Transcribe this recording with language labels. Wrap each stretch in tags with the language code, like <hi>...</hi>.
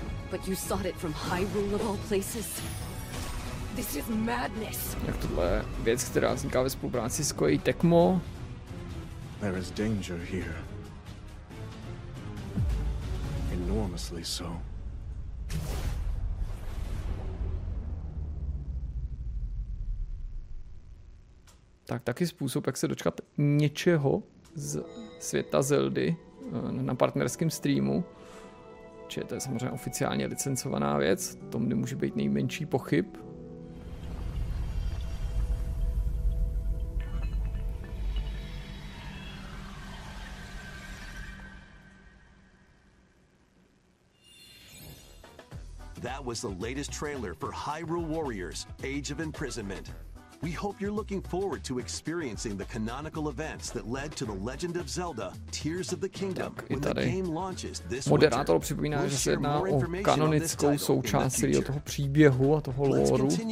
<en>But you sought it from Hyrule of all places. This is madness.</en> <cs>Jak tohle je věc, která vzniká ve spolupráci s Koei Tecmo.</cs> <en>There is danger here. Enormously so.</en> <cs>Tak taky způsob, jak se dočkat něčeho z světa Zeldy na partnerském streamu. Čiže to je samozřejmě oficiálně licencovaná věc, tomu nemůže být nejmenší pochyb.</cs> <en>That was the latest trailer for Hyrule Warriors: Age of Imprisonment. We hope you're looking forward to experiencing the canonical events that led to the Legend of Zelda: Tears of the Kingdom when the game launches this winter.</en> <cs>Moderátor připomíná, že se jedná o kanonickou součást celého toho příběhu a toho lóru.</cs>